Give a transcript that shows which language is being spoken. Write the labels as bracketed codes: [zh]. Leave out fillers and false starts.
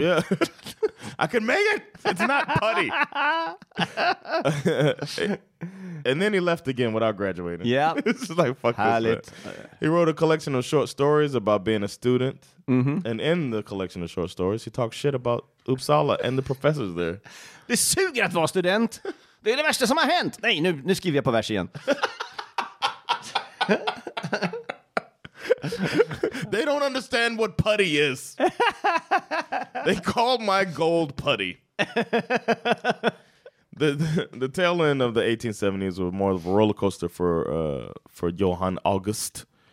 [en] Yeah. I can make it. It's not putty. And then he left again without graduating. Yeah. It's like, fuck [sv] Härligt. [en] This man. He wrote a collection of short stories about being a student. Mm-hmm. And in the collection of short stories, he talked shit about Uppsala and the professors there. [sv] Det suger att vara student. Det är det värsta som har hänt. Nej, nu skriver jag på vers igen. [en] They don't understand what putty is. They call my gold putty. The tail end of the 1870s was more of a roller coaster for Johann August.